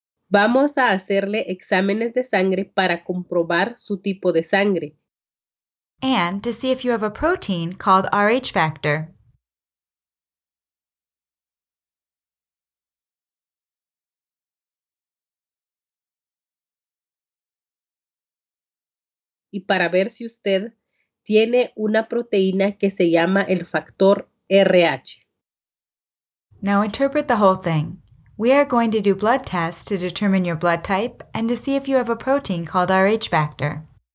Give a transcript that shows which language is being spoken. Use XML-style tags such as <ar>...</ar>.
<es>Vamos a hacerle exámenes de sangre para comprobar su tipo de sangre.</es> <en>And to see if you have a protein called Rh factor.</en> <es>Y para ver si usted tiene una proteína que se llama el factor RH.</es> <en>Now interpret the whole thing. We are going to do blood tests to determine your blood type and to see if you have a protein called Rh factor.</en>